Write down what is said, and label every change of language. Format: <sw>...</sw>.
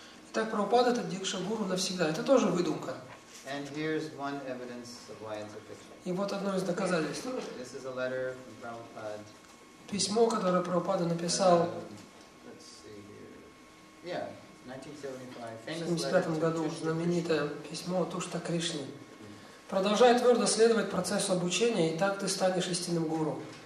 <ru>Итак, Прабхупада это Диксха Гуру навсегда. Это тоже выдумка.</ru> <en>And here's one evidence of why it's a fiction.</en> <ru>И вот одно из доказательств.</ru> <en>This is a letter from Prabhupada.</en> <ru>Письмо, которое Прабхупада написал.</ru> <en>Let's see here. Yeah.</en> <ru>В 1975 году знаменитое письмо Тушта Кришне. Продолжай твердо следовать процессу обучения, и так ты станешь истинным гуру.</ru>